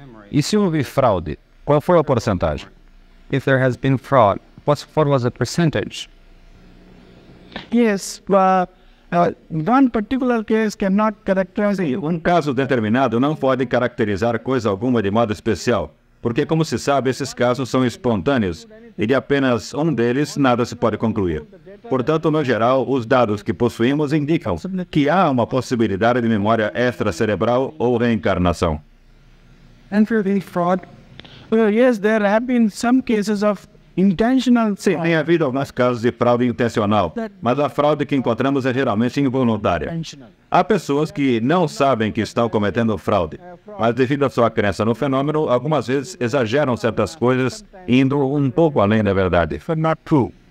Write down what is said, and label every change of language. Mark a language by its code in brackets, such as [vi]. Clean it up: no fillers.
[pt] E se houve fraude, qual foi a porcentagem? [en] If there has been fraud, what was the percentage? Yes, one particular case cannot characterize. [pt] Um caso determinado não pode caracterizar coisa alguma de modo especial, porque, como se sabe, esses casos são espontâneos e de apenas um deles nada se pode concluir. Portanto, no geral, os dados que possuímos indicam que há uma possibilidade de memória extracerebral ou reencarnação. [en] And for the fraud, yes, there have been some cases of intentional fraud. [pt] Sim, tem havido alguns casos de fraude intencional, mas a fraude que encontramos é geralmente involuntária. Há pessoas que não sabem que estão cometendo fraude, mas devido à sua crença no fenômeno, algumas vezes exageram certas coisas, indo um pouco além da verdade. [en] But not true.